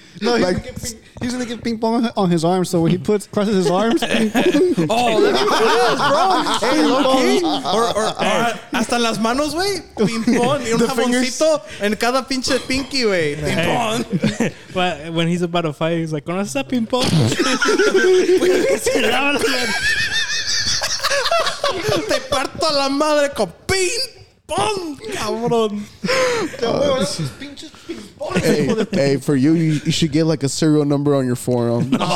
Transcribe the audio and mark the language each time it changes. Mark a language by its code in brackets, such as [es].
[en] No, he's going to get Ping Pong on his arm, so when he crosses his arms. Oh, that's bro. Hey, Ping Pong. [es] Or hasta las manos, wey. Ping Pong. Y un jaboncito en cada pinche pinky, wey. [en] Ping Pong. But when he's about to fight, he's like, [es] ¿conoces a Ping Pong? Te parto a la madre con Ping Pong, cabrón. Te voy a ver esos pinches Ping Pong. [en] Hey, for you should get like a serial number on your forearm.